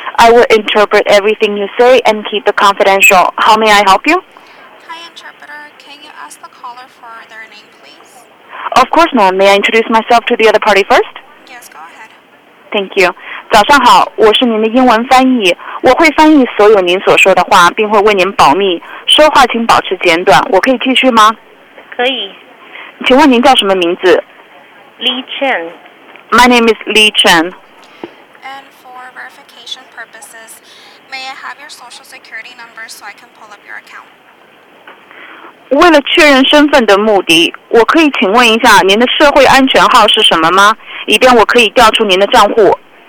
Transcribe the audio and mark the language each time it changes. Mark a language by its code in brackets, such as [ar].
[en] I will interpret everything you say and keep it confidential. How may I help you? Hi, interpreter. Can you ask the caller for their name, please? Of course, ma'am. May I introduce myself to the other party first? Yes, go ahead. Thank you. [zh] 早上好，我是您的英文翻译。我会翻译所有您所说的话，并会为您保密。说话请保持简短，我可以继续吗？可以。请问您叫什么名字？ [en] Lee Chen. My name is Lee Chen. And for verification purposes, may I have your social security number so I can pull up your account? [zh] 为了确认身份的目的，我可以请问一下您的社会安全号是什么吗？以便我可以调出您的账户。